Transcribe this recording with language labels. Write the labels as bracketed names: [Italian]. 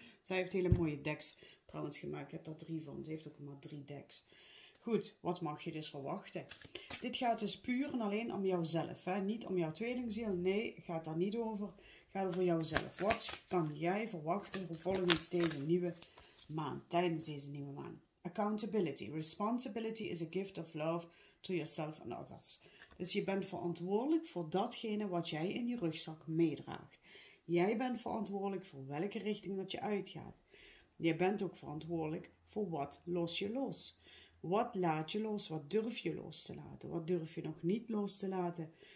[Dutch] Zij heeft hele mooie decks trouwens gemaakt. Ik heb daar drie van, ze heeft ook maar drie decks. Goed, wat mag je dus verwachten? Dit gaat dus puur en alleen om jouzelf. Hè? Niet om jouw tweelingziel, nee, gaat daar niet over. Gaat over jouzelf. Wat kan jij verwachten volgens deze nieuwe maan, tijdens deze nieuwe maan? [English] Accountability. Responsibility is a gift of love to yourself and others. [Dutch] Dus je bent verantwoordelijk voor datgene wat jij in je rugzak meedraagt. Jij bent verantwoordelijk voor welke richting dat je uitgaat. Je bent ook verantwoordelijk voor wat los je los. Wat laat je los? Wat durf je los te laten? Wat durf je nog niet los te laten?